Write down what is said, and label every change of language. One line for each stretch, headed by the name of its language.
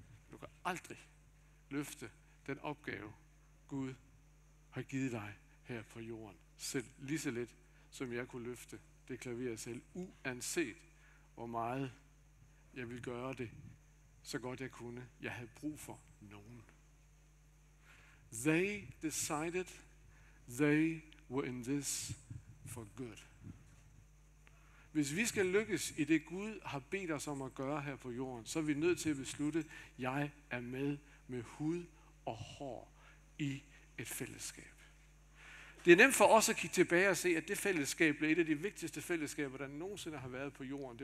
Danish: Du kan aldrig løfte den opgave, Gud har givet dig her på jorden selv lige så lidt, som jeg kunne løfte det klaver selv, uanset hvor meget jeg ville gøre det, så godt jeg kunne. Jeg havde brug for nogen.
English: They decided they were in this for good.
Danish: Hvis vi skal lykkes i det, Gud har bedt os om at gøre her på jorden, så er vi nødt til at beslutte, jeg er med hud og hår i et fællesskab. Det er nemt for os at kigge tilbage og se, at det fællesskab blev et af de vigtigste fællesskaber, der nogensinde har været på jorden.